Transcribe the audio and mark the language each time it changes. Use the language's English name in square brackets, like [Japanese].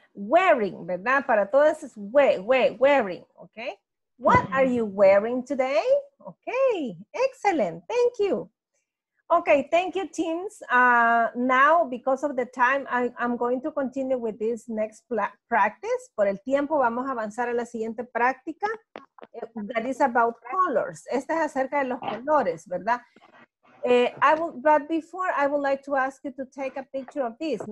[Spanish] wearing, ¿verdad? Para todas es wearing, ¿ok? [English] What are you wearing today? Ok, excellent, thank you. Ok, thank you, teams. Now, because of the time, I'm going to continue with this next practice. [Spanish] Por el tiempo, vamos a avanzar a la siguiente práctica. [English] That is about colors. [Spanish] Esta es acerca de los colores, ¿verdad? [English] But before, I would like to ask you to take a picture of this.